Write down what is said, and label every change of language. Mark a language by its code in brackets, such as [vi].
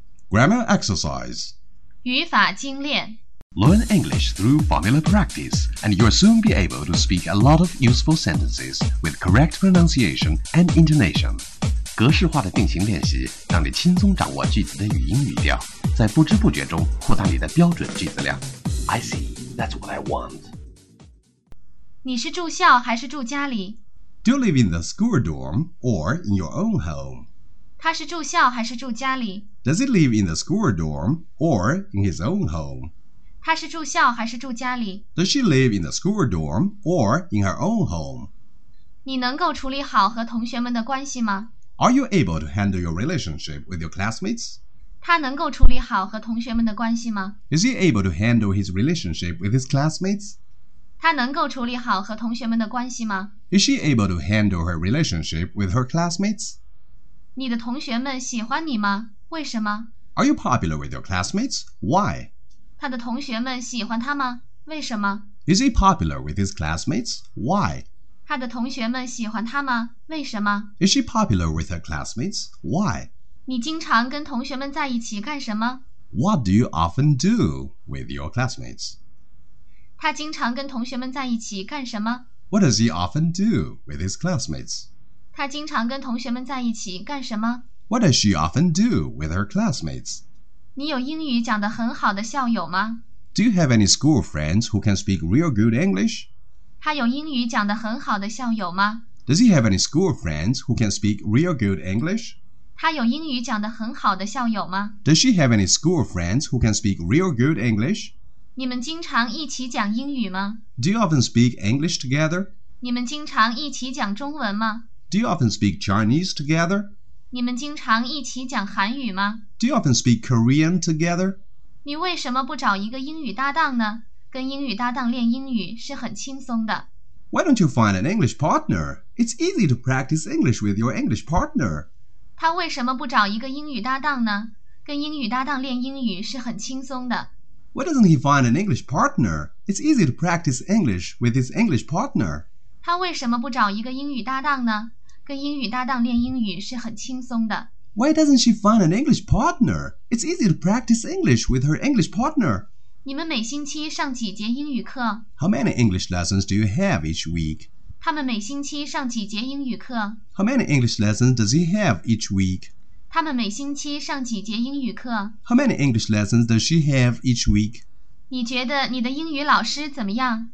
[en] Grammar exercise. [zh] 语法精炼 [en] Learn English through formula practice, and you'll soon be able to speak a lot of useful sentences with correct pronunciation and intonation. [zh] 格式化的定型练习让你轻松掌握句子的语音语调在不知不觉中扩大你的标准句子量 [en] I see, that's what I want [zh] 你是住校还是住家里 [en] Do you live in the school dorm or in your own home? [zh] 他是住校还是住家里 [en] Does he live in the school dorm or in his own home? [zh] 他是住校还是住家里 [en] Does she live in the school dorm or in her own home? [zh] 你能够处理好和同学们的关系吗 [en] Are you able to handle your relationship with your classmates? [zh] 他能够处理好和同学们的关系吗? [en] Is he able to handle his relationship with his classmates? [zh] 她能够处理好和同学们的关系吗？ [en] Is she able to handle her relationship with her classmates? [zh] 你的同学们喜欢你吗？为什么？ [en] Are you popular with your classmates? Why? [zh] 她的同学们喜欢她吗？为什么？ [en] Is he popular with his classmates? Why? [zh] 她的同学们喜欢她吗？为什么？ [en] Is she popular with her classmates? Why? [zh] 你经常跟同学们在一起干什么？ [en] What do you often do with your classmates? [zh] 他经常跟同学们在一起干什么？ [en] What does he often do with his classmates? [zh] 他经常跟同学们在一起干什么？ [en] What does she often do with her classmates? [zh] 你有英语讲得很好的校友吗？ [en] Do you have any school friends who can speak real good English? [zh] 他有英语讲得很好的校友吗？ [en] Does he have any school friends who can speak real good English? [zh] 他有英语讲得很好的校友吗？ [en] Does she have any school friends who can speak real good English? [zh] 你们经常一起讲英语吗？ [en] Do you often speak English together? [zh] 你们经常一起讲中文吗？ [en] Do you often speak Chinese together? [zh] 你们经常一起讲韩语吗？ [en] Do you often speak Korean together? [zh] 你为什么不找一个英语搭档呢？跟英语搭档练英语是很轻松的。 [en] Why don't you find an English partner? It's easy to practice English with your English partner. [zh] 他为什么不找一个英语搭档呢？跟英语搭档练英语是很轻松的。 [en] Why doesn't he find an English partner? It's easy to practice English with his English partner. [zh] 他为什么不找一个英语搭档呢？跟英语搭档练英语是很轻松的。 [en] Why doesn't she find an English partner? It's easy to practice English with her English partner. [zh] 你们每星期上几节英语课？ [en] How many English lessons do you have each week? [zh] 他们每星期上几节英语课？ [en] How many English lessons does he have each week? [zh] 他们每星期上几节英语课？ [en] How many English lessons does she have each week? [zh] 你觉得你的英语老师怎么样？